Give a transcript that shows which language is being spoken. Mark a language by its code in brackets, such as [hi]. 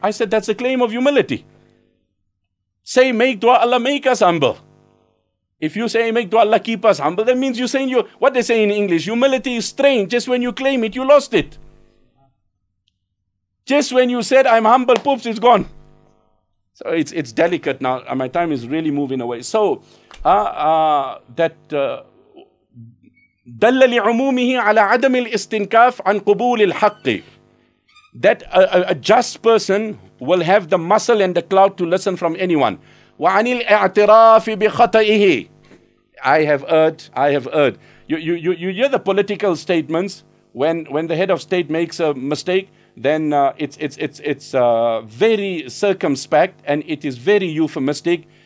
[en] I said, that's a claim of humility. Say, make dua Allah make us humble. If you say, make dua Allah keep us humble, that means you're saying, what they say in English, humility is strange. Just when you claim it, you lost it. Just when you said, I'm humble, poops, it's gone. So it's delicate now. My time is really moving away. So that [ar] دَلَّ لِعُمُومِهِ عَلَىٰ عَدَمِ الْإِسْتِنْكَافِ عَنْ قُبُولِ الْحَقِّ. [en] That a just person will have the muscle and the clout to listen from anyone. [ar] وَعَنِ الْإِعْتِرَافِ بِخَطَئِهِ. [en] I have heard. You hear the political statements. When the head of state makes a mistake, then it's very circumspect and it is very euphemistic.